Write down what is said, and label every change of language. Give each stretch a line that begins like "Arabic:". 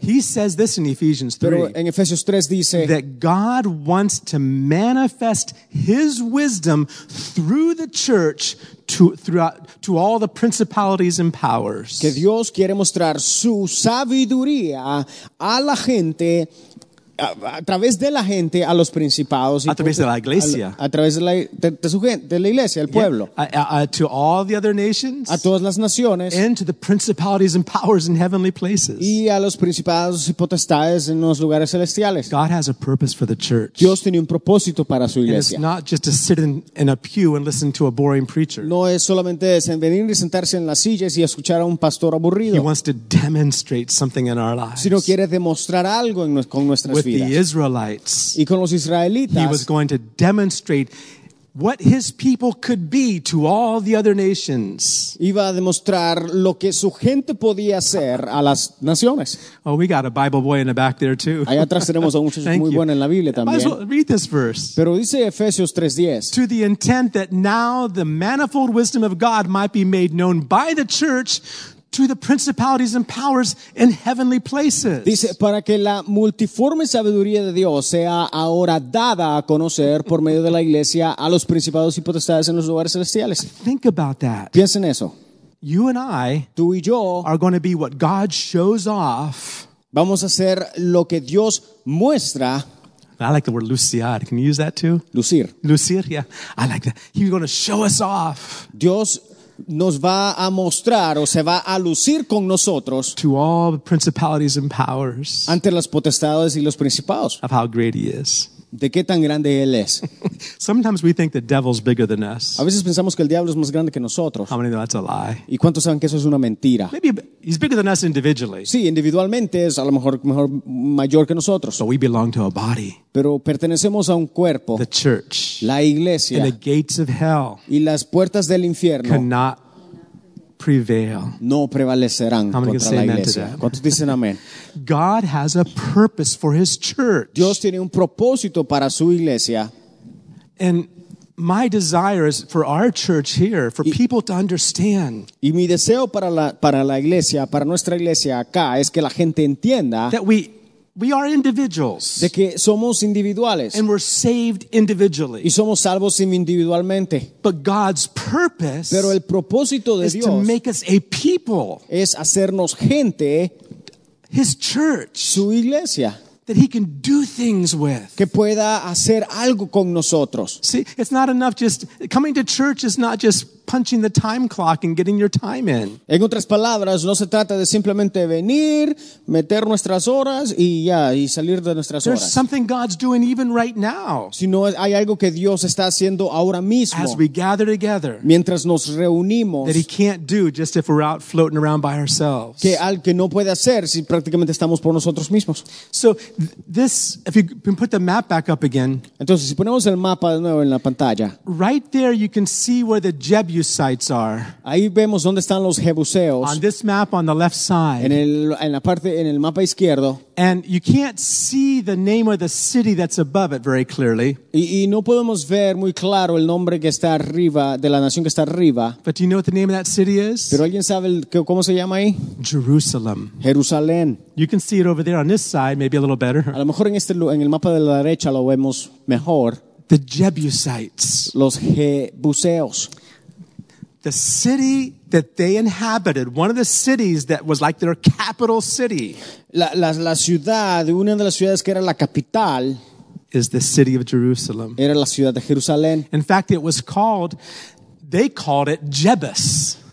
English: He says this in Ephesians 3.
Spanish: Pero en Efesios 3 dice
English: that God wants to manifest his wisdom through the church to all the principalities and powers.
Spanish: Que Dios quiere mostrar su sabiduría a la gente, a través de la gente, a los principados y a través de la iglesia, a través de la iglesia, el pueblo,
English: yeah. To all the other nations,
Spanish: a todas las naciones,
English: and to the principalities and powers in heavenly places,
Spanish: y a los principados y potestades en los lugares celestiales.
English: God has a purpose for the church.
Spanish: Dios tiene un propósito para su iglesia.
English: It's not just to sit in a pew and listen to a boring preacher.
Spanish: No es solamente venir y sentarse en las sillas y escuchar a un pastor aburrido.
English: He wants to demonstrate something in our lives.
Spanish: Sino quiere demostrar algo con nuestras
English: with the Israelites.
Spanish: Y con los Israelitas,
English: he was going to demonstrate what his people could be to all the other nations.
Spanish: Iba a demostrar lo que su gente podía hacer a las naciones.
English: Oh, we got a Bible boy in the back there too.
Spanish: Allá atrás tenemos a un muchacho muy bueno en la Biblia también.
English: Well, read this verse.
Spanish: Pero dice Efesios 3:10.
English: To the intent that now the manifold wisdom of God might be made known by the church to the principalities and powers in heavenly places.
Spanish: Dice, para que la multiforme sabiduría de Dios sea ahora dada a conocer por medio de la iglesia a los principados y potestades en los lugares celestiales.
English: Think about that.
Spanish: Piensen eso.
English: You and I,
Spanish: tú y yo,
English: are going to be what God shows off.
Spanish: Vamos a ser lo que Dios muestra.
English: I like the word luciar. Can you use that too?
Spanish: Lucir.
English: Lucir, yeah. I like that. He's going to show us off.
Spanish: Dios nos va a mostrar o se va a lucir con nosotros
English: to all the principalities and powers
Spanish: ante las potestades y los principados
English: of how great he is.
Spanish: De qué tan grande él es.
English: Sometimes we think the devil's bigger than us.
Spanish: A veces pensamos que el diablo es más grande que nosotros.
English: How many know that's a lie?
Spanish: ¿Y cuántos saben que eso es una mentira?
English: Maybe he's bigger than us individually.
Spanish: Sí, individualmente es a lo mejor mayor que nosotros.
English: So we belong to a body.
Spanish: Pero pertenecemos a un cuerpo.
English: The church.
Spanish: La iglesia.
English: And the gates of hell.
Spanish: Y las puertas del infierno.
English: Cannot prevail.
Spanish: No prevalecerán.
English: I'm
Spanish: contra
English: say
Spanish: la
English: amen
Spanish: iglesia.
English: To that.
Spanish: ¿Cuántos dicen amén?
English: God has a purpose for his church.
Spanish: Dios tiene un propósito para su iglesia.
English: And my desire is for our church here, for people to understand.
Spanish: Y mi deseo para la iglesia, para nuestra iglesia acá, es que la gente entienda
English: that we are individuals.
Spanish: De que somos individuales.
English: And we're saved individually.
Spanish: Y somos salvos individualmente.
English: But God's purpose,
Spanish: pero el propósito de
English: is
Spanish: Dios
English: to make us a people.
Spanish: Es hacernos gente,
English: his church,
Spanish: su iglesia,
English: that he can do things with.
Spanish: Que pueda hacer algo con nosotros.
English: See, it's not enough just coming to church is not just punching the time clock and getting your time in.
Spanish: En otras palabras, no se trata de simplemente venir, meter nuestras horas y ya, y salir de nuestras
English: There's
Spanish: horas.
English: Something God's doing even right now.
Spanish: Sino hay algo que Dios está haciendo ahora mismo.
English: As we gather together.
Spanish: Mientras nos reunimos.
English: That he can't do just if we're out floating around by ourselves.
Spanish: Que algo que no puede hacer si prácticamente estamos por nosotros mismos.
English: So this, if you can put the map back up again.
Spanish: Entonces, si ponemos el mapa de nuevo en la pantalla.
English: Right there you can see where the Jebusites are.
Spanish: Ahí vemos dónde están los Jebuseos.
English: On this map on the left side.
Spanish: En el mapa izquierdo.
English: And you can't see the name of the city that's above it very clearly.
Spanish: Y no podemos ver muy claro el nombre que está arriba, de la nación que está arriba.
English: But do you know what the name of that city is?
Spanish: ¿Pero alguien sabe cómo se llama ahí?
English: Jerusalem.
Spanish: Jerusalén.
English: You can see it over there on this side, maybe a little better.
Spanish: A lo mejor en el mapa de la derecha lo vemos mejor.
English: The Jebusites.
Spanish: Los Jebuseos.
English: The city that they inhabited, one of the cities that was like their capital city.
Spanish: La ciudad, una de las ciudades que era la capital,
English: is the city of Jerusalem.
Spanish: Era la ciudad de Jerusalén.
English: In fact, it was called, they called it Jebus.